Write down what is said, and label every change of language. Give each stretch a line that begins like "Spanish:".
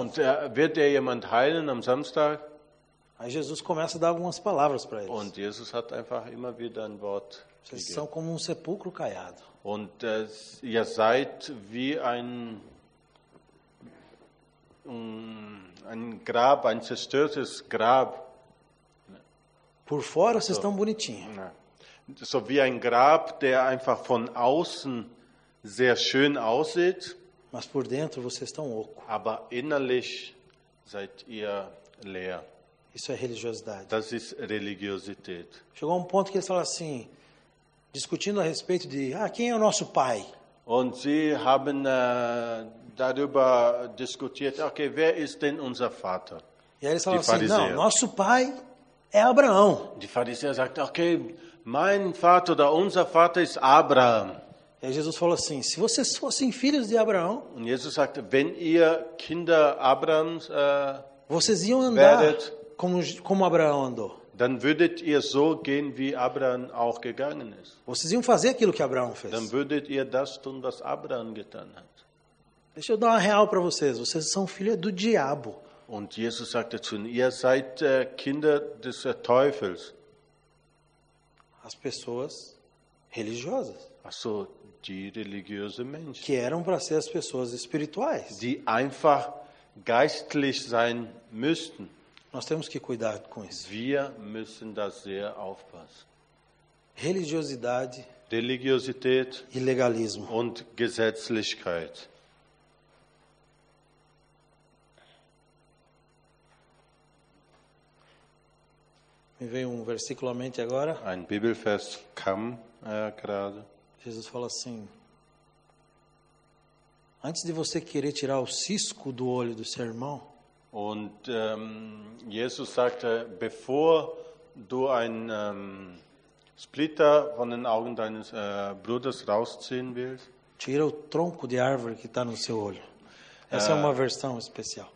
German: Und, wird jemand heilen am Samstag?
Portuguese: Aí Jesus começa a dar algumas palavras para eles.
German: Und Jesus hat einfach immer wieder ein Wort.
Portuguese: Vocês são como um sepulcro caiado.
German: Und ihr seid wie ein Grab, ein zerstörtes Grab.
Portuguese: Por fora vocês estão bonitinhos.
German: So wie ein Grab, der einfach von außen sehr schön aussieht.
Portuguese: Mas por dentro vocês estão oco.
German: Aber innerlich seid ihr leer.
Portuguese: Isso é religiosidade.
German: Das ist Religiosität.
Portuguese: Chegou um ponto que eles falaram assim, discutindo a respeito de, ah, quem é o nosso pai?
German: Und sie haben darüber diskutiert, okay, wer ist denn unser Vater?
Portuguese: E aí eles falaram assim, não, nosso pai é Abraão.
German: Die Pharisäer sagten, okay, mein Vater oder unser Vater ist Abraham.
Portuguese: E Jesus falou assim, se vocês fossem filhos de Abraão,
German: und Jesus sagte, wenn ihr Kinder Abrahams
Portuguese: vocês iam andar
German: werdet,
Portuguese: como Abraão andou.
German: Dann würdet ihr so gehen, wie Abraham auch gegangen ist.
Portuguese: Vocês iam fazer aquilo que Abraão fez.
German: Dann würdet ihr das tun, was Abraham getan hat.
Portuguese: Deixa eu dar uma real para vocês. Vocês são filhos do diabo.
German: Und Jesus sagte zu ihnen, ihr seid Kinder des Teufels.
Portuguese: As pessoas religiosas.
German: Also die religiösen Menschen.
Portuguese: Que eram para ser as pessoas espirituais.
German: Die einfach geistlich sein müssten.
Portuguese: Nós temos que cuidar com isso.
German: Wir müssen da sehr aufpassen.
Portuguese: Religiosidade.
German: Religiosität.
Portuguese: E legalismo.
German: Und Gesetzlichkeit.
Portuguese: Me veio um versículo à mente agora.
German: Ein Bibelvers kam gerade.
Portuguese: Jesus fala assim: antes de você querer tirar o cisco do olho do seu irmão,
German: und Jesus sagte, bevor du ein Splitter von den Augen deines Bruders rausziehen willst,
Portuguese: tira o tronco de árvore que está no seu olho. Essa é uma versão especial.